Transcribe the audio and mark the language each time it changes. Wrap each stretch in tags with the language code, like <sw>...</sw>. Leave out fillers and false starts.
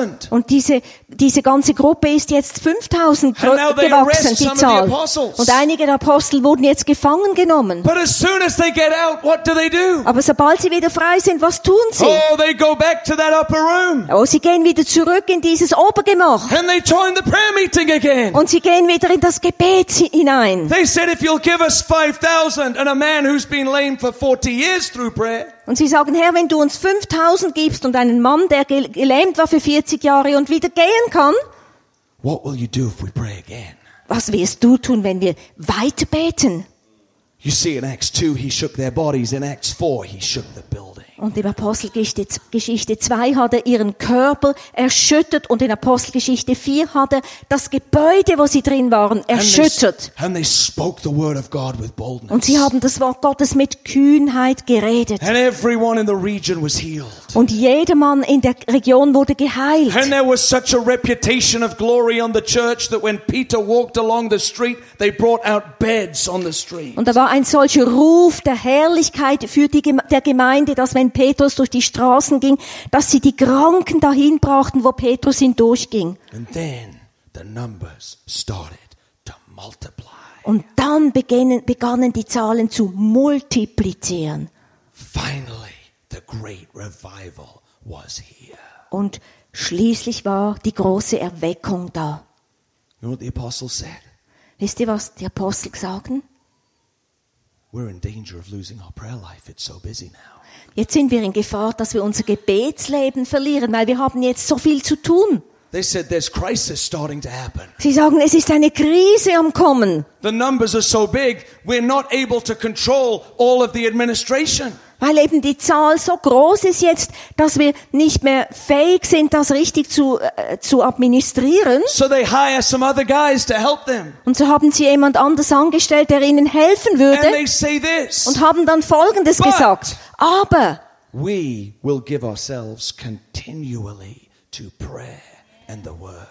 <de>Und diese ganze Gruppe ist jetzt 5000 gewachsen, die Zahl. Und einige der Apostel wurden jetzt gefangen genommen. Aber sobald sie wieder frei sind, was tun sie?</de> <en>Oh, they go back to that upper room.</en> <de>Oh, sie gehen wieder zurück in dieses Obergemach.</de> <en>And they join the prayer meeting again.</en> <de>Und sie gehen wieder in das Gebet hinein.</de> <en>They said, if you'll give us 5000 and a man who's been lame for 40 years through prayer.</en> <de>Und sie sagen, Herr, wenn du uns 5000 gibst und einen Mann, der gelähmt war für 40 Jahre und wieder gehen kann,</de> <en>what will you do if we pray again?</en> <de>Was wirst du tun, wenn wir weiter beten?</de> <en>You see, in Acts 2, he shook their bodies. In Acts 4, he shook the building.</en> <de>Und in Apostelgeschichte 2 hat er ihren Körper erschüttert und in Apostelgeschichte 4 hat er das Gebäude, wo sie drin waren, erschüttert.</de> <en>And they spoke the word of God with boldness.</en> <de>Und sie haben das Wort Gottes mit Kühnheit geredet.</de> <en>And everyone in the region was healed.</en> <de>Und jeder Mann in der Region wurde geheilt.</de> <en>And there was such a reputation of glory on the church that when Peter walked along the street, they brought out beds on the street.</en> <de>Und da war ein solcher Ruf der Herrlichkeit für die der Gemeinde, dass wenn Petrus durch die Straßen ging, dass sie die Kranken dahin brachten, wo Petrus hindurchging.</de> <en>And then the numbers started to multiply.</en> <de>Und dann begannen die Zahlen zu multiplizieren.</de> <en>Finally, the great revival was here.</en> <de>Und schließlich war die große Erweckung da.</de> <en>You know what the apostles said?</en> <de>Wisst ihr, was die Apostel sagten?</de> <en>We're in danger of losing our prayer life. It's so busy now.</en> <de>Jetzt sind wir in Gefahr, dass wir unser Gebetsleben verlieren, weil wir haben jetzt so viel zu tun.</de> <en>They said, there's crisis starting to happen.</en> <de>Sie sagen, es ist eine Krise am Kommen.</de> <en>The numbers are so big, we're not able to control all of the administration.</en> <de>Weil eben die Zahl so groß ist jetzt, dass wir nicht mehr fähig sind, das richtig zu administrieren.</de> <en>So they hire some other guys to help them.</en> <de>Und so haben sie jemand anders angestellt, der ihnen helfen würde.</de> <en>And they say this.</en> <de>Und haben dann Folgendes gesagt. Aber</de> <en>we will give ourselves continually to prayer and the word.</en>